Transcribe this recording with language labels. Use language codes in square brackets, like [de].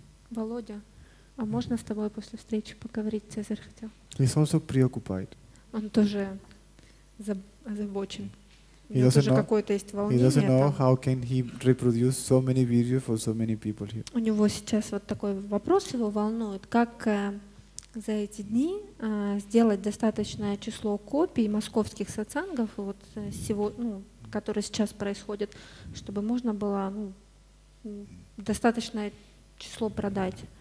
[ru] Володя, а можно с тобой после встречи поговорить? Цезарь хотел. [en] He's also preoccupied. [ru] Он тоже озабочен. У него тоже какое-то есть волнение. [en] He doesn't know how can he reproduce so many videos for so many people here. [ru] У него сейчас вот такой вопрос его волнует, как за эти дни сделать достаточное число копий московских сатсангов, вот которые сейчас происходят, чтобы можно было достаточное число продать.